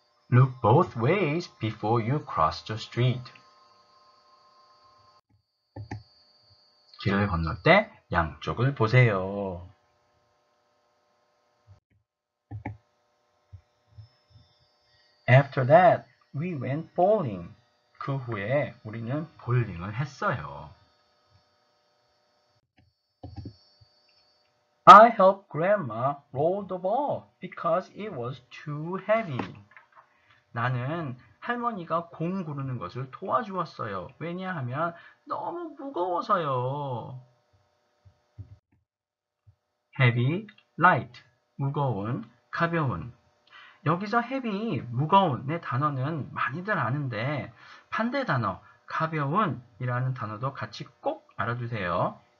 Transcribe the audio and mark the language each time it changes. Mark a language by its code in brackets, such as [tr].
[en] 'Look both ways before you cross the street.' [ko] 길을 건널 때 양쪽을 보세요. [en] 'After that, we went bowling.' [ko] 그 후에 우리는 볼링을 했어요. [en] I helped Grandma roll the ball because it was too heavy. [ko] 나는 할머니가 공 구르는 것을 도와주었어요. 왜냐하면 너무 무거워서요. [en] Heavy, light, [ko] 무거운, 가벼운. 여기서 heavy, 무거운의 단어는 많이들 아는데 반대 단어, 가벼운이라는 단어도 같이 꼭 알아두세요.